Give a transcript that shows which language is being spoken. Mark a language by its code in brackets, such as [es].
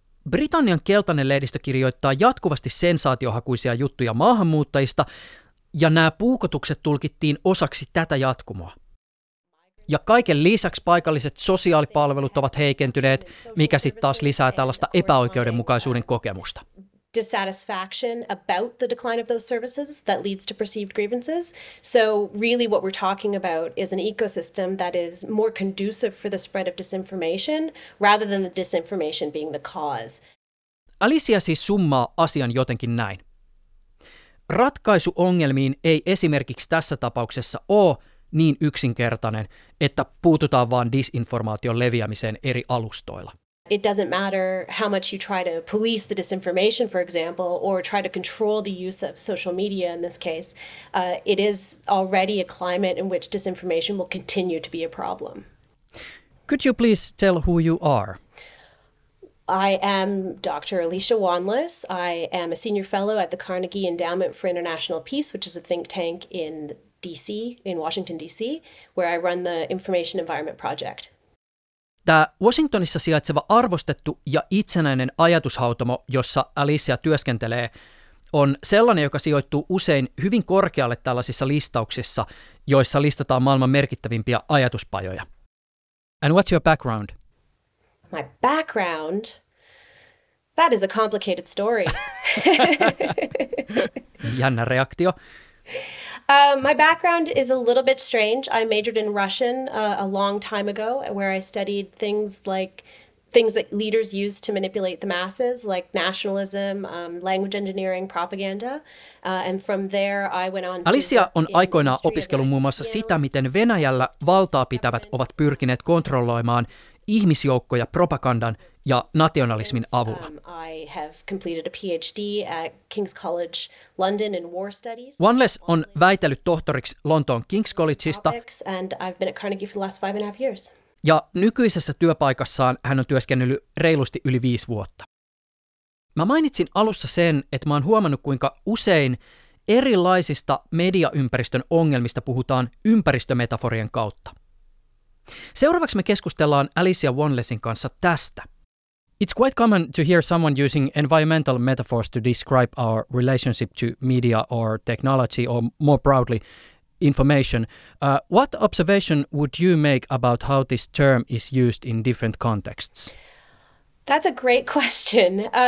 [fi] Britannian keltainen lehdistö kirjoittaa jatkuvasti sensaatiohakuisia juttuja maahanmuuttajista, ja nämä puukotukset tulkittiin osaksi tätä jatkumoa. Ja kaiken lisäksi paikalliset sosiaalipalvelut ovat heikentyneet, mikä sitten taas lisää tällaista epäoikeudenmukaisuuden kokemusta. [en] Dissatisfaction about the decline of those services that leads to perceived grievances. So really what we're talking about is an ecosystem that is more conducive for the spread of disinformation rather than the disinformation being the cause. [fi] Alicia siis summaa asian jotenkin näin. Ratkaisu ongelmiin ei esimerkiksi tässä tapauksessa ole niin yksinkertainen, että puututaan vaan disinformaation leviämiseen eri alustoilla. [en] It doesn't matter how much you try to police the disinformation, for example, or try to control the use of social media in this case. It is already a climate in which disinformation will continue to be a problem. Could you please tell who you are? I am Dr. Alicia Wanless. I am a senior fellow at the Carnegie Endowment for International Peace, which is a think tank in DC, in Washington, DC, where I run the Information Environment Project. [fi] Tämä Washingtonissa sijaitseva arvostettu ja itsenäinen ajatushautomo, jossa Alicia työskentelee, on sellainen, joka sijoittuu usein hyvin korkealle tällaisissa listauksissa, joissa listataan maailman merkittävimpiä ajatuspajoja. [en] And what's your background? My background? That is a complicated story. [fi] Jännä reaktio. [en] My background is a little bit strange. I majored in Russian a long time ago, where I studied things like things that leaders use to manipulate the masses, like nationalism, language engineering, propaganda. And from there, I went on. [fi] Alicia on aikoinaan opiskellut muun muassa sitä, miten Venäjällä valtaa pitävät ovat pyrkineet kontrolloimaan ihmisjoukkoja propagandan ja nationalismin avulla. [en] I have completed a PhD at King's College London in war studies. [fi] Wanless on väitellyt tohtoriksi Lontoon King's Collegeista. [en] And I've been at Carnegie for the last 5.5 years. [fi] Ja nykyisessä työpaikassaan hän on työskennellyt reilusti yli 5 vuotta. Mä mainitsin alussa sen, että mä oon huomannut, kuinka usein erilaisista mediaympäristön ongelmista puhutaan ympäristömetaforien kautta. Seuraavaksi me keskustellaan Alicia Wanlessin kanssa tästä. [en] It's quite common to hear someone using environmental metaphors to describe our relationship to media or technology, or more broadly, information. What observation would you make about how this term is used in different contexts? That's a great question.